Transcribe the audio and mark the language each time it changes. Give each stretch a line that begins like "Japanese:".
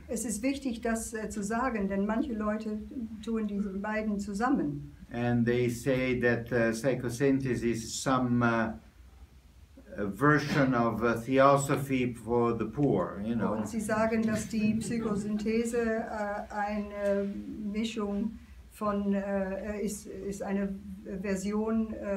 German: Es ist wichtig, das zu sagen, denn manche Leute tun diese beiden zusammen.
English: And they say that psychosynthesis is some version of theosophy for the poor, you know.
German: Und sie sagen, dass die Psychosynthese eine Mischung von ist eine Version